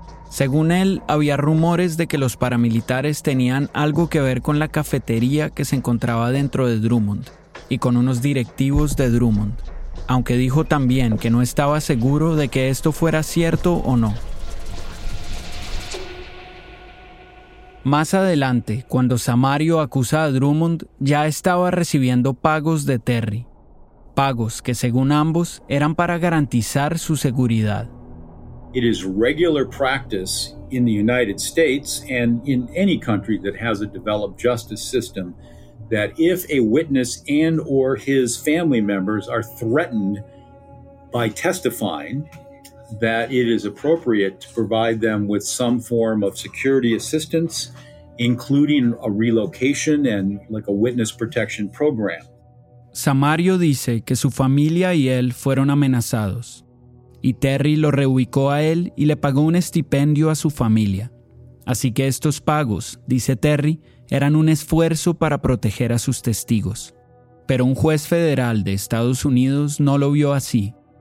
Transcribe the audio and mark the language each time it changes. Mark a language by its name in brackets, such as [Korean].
[Spanish] Según él, había rumores de que los paramilitares tenían algo que ver con la cafetería que se encontraba dentro de Drummond y con unos directivos de Drummond, aunque dijo también que no estaba seguro de que esto fuera cierto o no. Más adelante, cuando Samario acusa a Drummond, ya estaba recibiendo pagos de Terry. Pagos que, según ambos, eran para garantizar su seguridad. [English] It is regular practice in the United States and in any country that has a developed justice system that if a witness and or his family members are threatened by testifying, that it is appropriate to provide them with some form of security assistance, including a relocation and like a witness protection program. [Spanish] Samario dice que su familia y él fueron amenazados, y Terry lo reubicó a él y le pagó un estipendio a su familia. Así que estos pagos, dice Terry, eran un esfuerzo para proteger a sus testigos. Pero un juez federal de Estados Unidos no lo vio así.